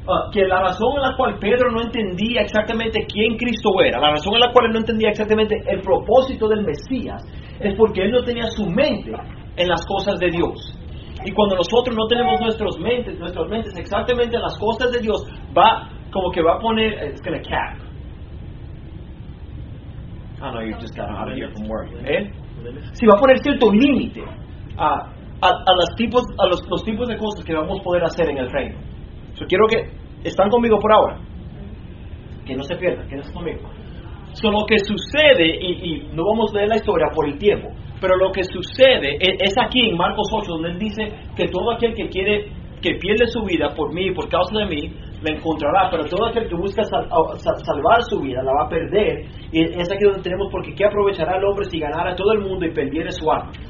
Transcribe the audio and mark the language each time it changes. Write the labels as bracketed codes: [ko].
[es] Que la razón en la cual Pedro no entendía exactamente quién Cristo era, la razón en la cual él no entendía exactamente el propósito del Mesías, es porque él no tenía su mente en las cosas de Dios. Y cuando nosotros no tenemos nuestras mentes exactamente en las cosas de Dios, va como que va a poner, [en] it's going to cap. Ah, no, you just got out of here from work. [es] Si va a poner cierto límite a los tipos de cosas que vamos a poder hacer en el reino. So, quiero que están conmigo por ahora. Que no se pierdan, que no estén conmigo. So, lo que sucede, y no vamos a leer la historia por el tiempo, pero lo que sucede es aquí en Marcos 8, donde él dice que todo aquel que quiere, que pierde su vida por mí, por causa de mí, la encontrará, pero todo aquel que busca salvar su vida la va a perder, y es aquí donde tenemos, porque ¿qué aprovechará el hombre si ganara todo el mundo y perdiera su alma?